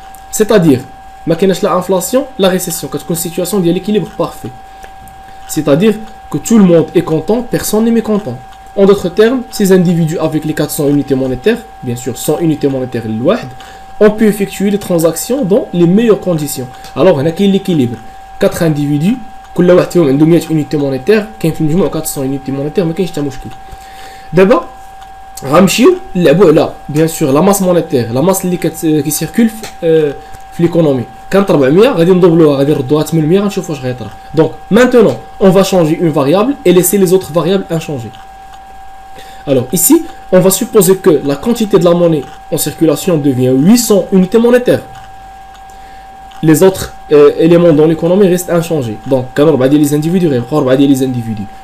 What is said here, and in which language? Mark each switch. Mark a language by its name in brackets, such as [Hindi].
[French] C'est-à-dire, maquinage l'inflation, la récession, c'est une situation de l'équilibre parfait. C'est-à-dire que tout le monde est content, personne n'est mécontent. En d'autres termes, ces individus avec les 400 unités monétaires, bien sûr 100 unités monétaires, ont pu effectuer les transactions dans les meilleures conditions. Alors, on a quel équilibre? 4 individus [Arabic] كل واحد فيهم عنده 100 يونيتي مونيتير كاين في المجموع 400 يونيتي مونيتير ما كاينش حتى مشكل دابا غنمشيو نلعبوا على بيان سور لا ماس مونيتير لا ماس اللي كي سيركول في ليكونومي كانت 400 غادي ندوبلوها غادي نردوها 800 غنشوف واش غيطرى دونك مانتونون اون فا شانجي اون فاريابل اي ليسي لي زوتر فاريابل انشانجي [French] Alors ici, on va supposer que la quantité de la monnaie en circulation devient 800 unités monétaires. Les autres éléments dans l'économie restent inchangés. Donc, quand on va dire les individus, on va dire les individus.